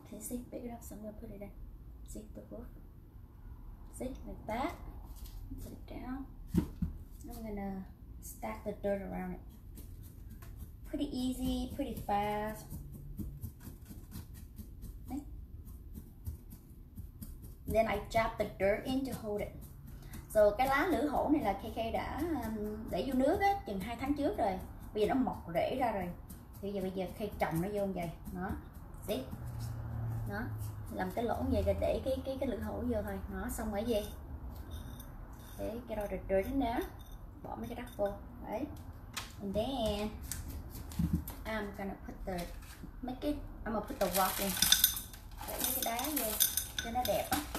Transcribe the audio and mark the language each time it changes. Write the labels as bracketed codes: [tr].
[en] Can you see? Big enough. So I'm going to put it in. See the roof? See? Like that. Put it down. I'm going to stack the dirt around it. Pretty easy. Pretty fast. Okay. Then I jab the dirt in to hold it. [vi] So cái lá lửa hổ này là KK đã để vô nước á, chừng 2 tháng trước rồi. Bây giờ nó mọc rễ ra rồi. Thì bây giờ KK trồng nó vô như vậy. Đó. Đó, làm cái lỗ vậy là để cái lửa hổ vô thôi. Nó xong rồi gì? Thế cái đó được rồi nè. Bỏ mấy cái đất vô. Đấy. [en] And then I'm gonna put the make it. I'm gonna put the rock in. [vi] Để mấy cái đá vô cho nó đẹp á.